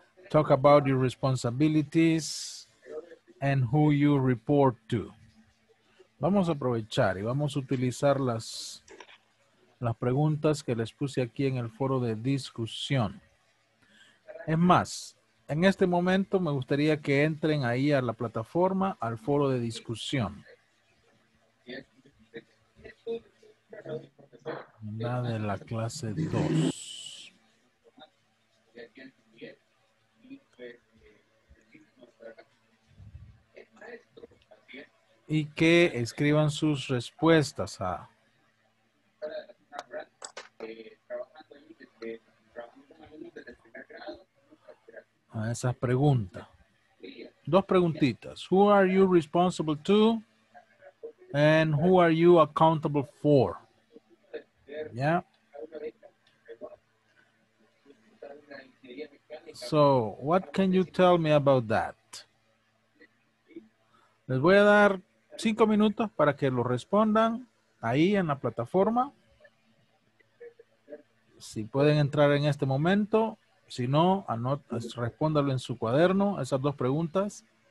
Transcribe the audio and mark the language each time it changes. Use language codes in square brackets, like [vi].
[en] Talk about your responsibilities and who you report to. [es] Vamos a aprovechar y vamos a utilizar las preguntas que les puse aquí en el foro de discusión. Es más, en este momento me gustaría que entren ahí a la plataforma, al foro de discusión. La de la clase 2. Y que escriban sus respuestas a esas preguntas. 2 preguntitas. [en] Who are you responsible to? And who are you accountable for? [es] ¿Ya? [en] So, what can you tell me about that? [es] Les voy a dar 5 minutos para que lo respondan ahí en la plataforma. Si pueden entrar en este momento, si no, respóndalo en su cuaderno, esas 2 preguntas.